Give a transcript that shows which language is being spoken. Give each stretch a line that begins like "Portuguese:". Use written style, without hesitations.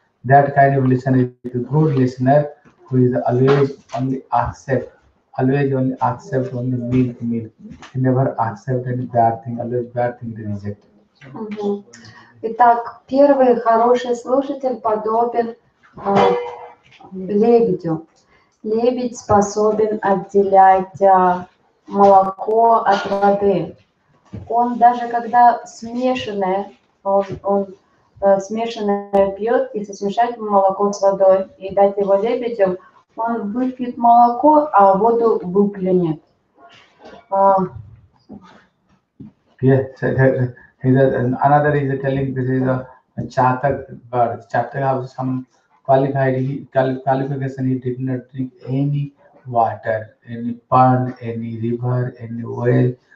English: That kind of listener is a good listener who is always only accept only milk. He never accept any bad thing, they reject.
Russian: Итак, первый хороший слушатель подобен лебедю. Лебедь способен отделять молоко от воды. Он даже когда смешанное, смешанное пьет, если смешать молоко с водой и дать его лебедям, он выпьет молоко, а воду выплюнет.
English: Another is telling this is a chatak bird. Chatak has some qualification. He did not drink any water, any pond, any river, any well.